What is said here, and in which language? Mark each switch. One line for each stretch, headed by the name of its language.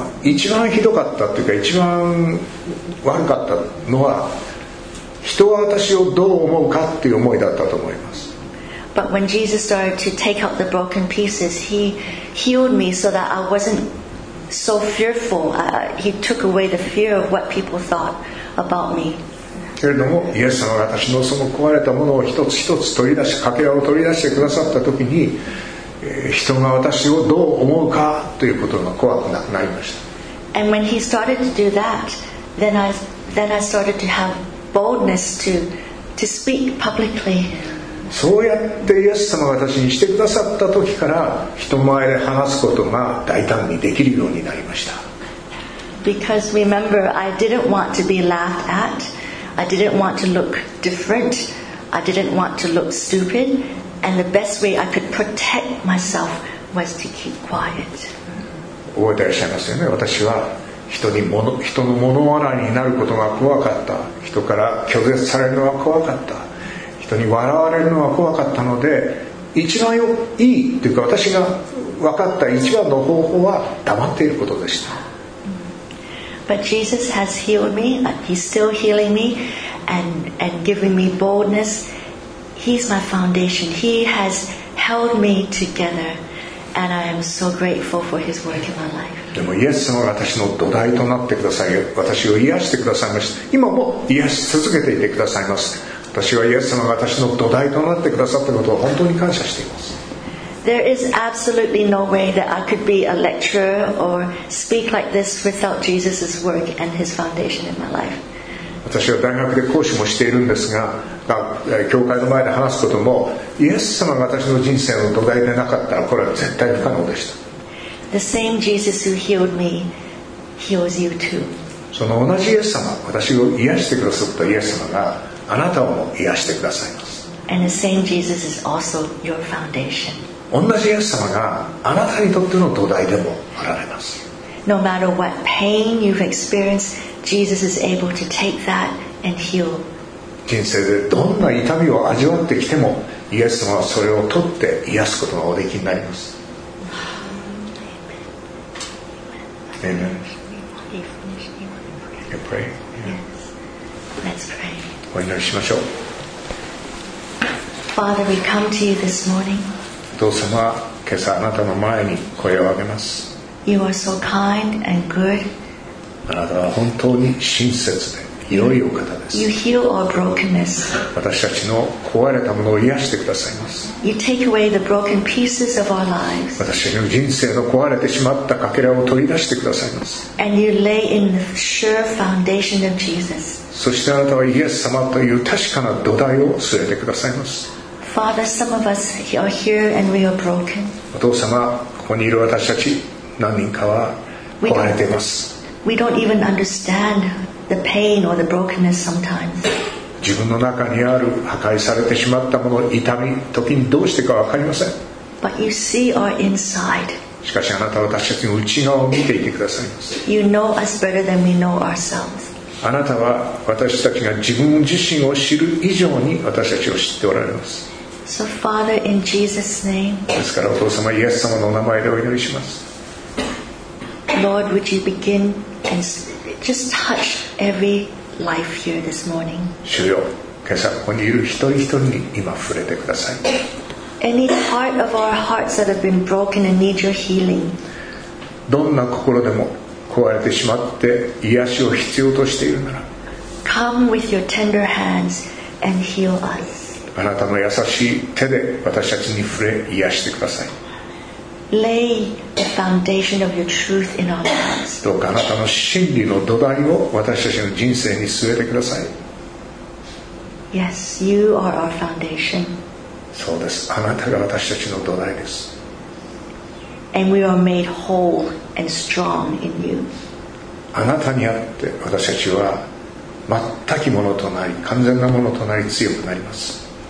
Japanese: というか一番悪かったのは人は私をどう思うかという思いだったと思います。
English: But when Jesus started to take out the broken pieces, he healed me so that I wasn'tSo fearful, he took away the fear of what people thought about me.
Japanese: けれども、イエス様が私のその壊れたものを一つ一つ取り出し、欠片を取り出してくださった時に、人が私をどう思うかということが怖くなくなりました。
English: And when he started to do that, then I started to have boldness to speak publicly.
Japanese: そうやってイエス様が私にしてくださった時から人前で話すことが大胆にできるようになりました。
English: Because remember, I didn't want to be laughed at. I didn't want to look different. I didn't want to look stupid. And the best way I could protect myself was to keep quiet.
Japanese: 覚えてらっしゃいますよね。私は人の物笑いになることが怖かった。人から拒絶されるのが怖かった。人に笑われるのは怖かったので、一番いいというか私が分かった一番の方法は黙っていることでした。
English: But Jesus has healed me. He's still healing me and giving me boldness. He's my foundation. He has held me together and I am so grateful for his work in my life.
Japanese: でもイエス様が私の土台となってくださいよ。私を癒してくださいました。今も癒し続けていてくださいます。私はイエス様が私の土台となってくださったことを本当に感謝しています。
English: There is absolutely no way that I could be a lecturer or speak like this without Jesus' work and his foundation in my life.
Japanese: 私は大学で講師もしているんですが、教会の前で話すこともイエス様が私の人生の土台でなかったらこれは絶対不可能でした。
English: The same Jesus who healed me heals you too.
Japanese: その同じイエス様、私を癒してくださったイエス様があなたも癒してくださいます。
English: And the same Jesus is also your foundation.
Japanese: 同じイエス様があなたにとっての土台でもあられます。
English: No matter what pain you've experienced, Jesus is able to take that and heal.
Japanese: 人生でどんな痛みを味わってきてもイエス様はそれを取って癒すことがおできになります。
English: Amen. Amen. You can pray. Yes. Let's pray.
Japanese: お祈りしましょう。
English: Father, we come to you this morning.
Japanese: 父様、今朝あなたの前に声を上げます。
English: You are so kind and good.
Japanese: あなたは本当に親切で良いお方です。
English: You heal our brokenness.
Japanese: 私たちの壊れたものを癒してくださいます。
English: You take away the broken pieces of our lives.
Japanese: 私の人生の壊れてしまった欠片を取り出してくださいます。
English: And you lay in the sure foundation of Jesus.
Japanese: そしてあなたはイエス様という確かな土台を据えてくださいます。
English: Father, some of us are here and we are broken.
Japanese: お父様、ここにいる私たち何人かは壊れています。
English: We don't even understand the pain or the brokenness sometimes.
Japanese: 自分の中にある破壊されてしまったもの、痛み、時にどうしてか分かりません。
English: But you see our inside.
Japanese: しかしあなたは私たちの内側を見ていてくださいます。
English: You know us better than we know ourselves.
Japanese: あなたは私たちが自分自身を知る以上に私たちを知っておられます。
English: So Father, in Jesus' name.
Japanese: ですからお父様、イエス様の名前でお祈りします。
English: Lord, would you begin and just touch every life here this morning?
Japanese: 主よ、今朝ここにいる一人一人に今触れてください。
English: Any part of our hearts that have been broken and need your healing?
Japanese: どんな心でも壊れてしまって癒しを必要としているなら、
English: Come with your tender hands and heal us.
Japanese: あなたの優しい手で私たちに触れ癒してください。
English: Lay the foundation of your truth in our lives.
Japanese: どうかあなたの真理の土台を私たちの人生に据えてください。
English: Yes, you are our foundation.
Japanese: そうです。あなたが私たちの土台です。 And we are made whole and strong in you. あなたにあって私たちは全きものとなり、完全なものとなり強くなります。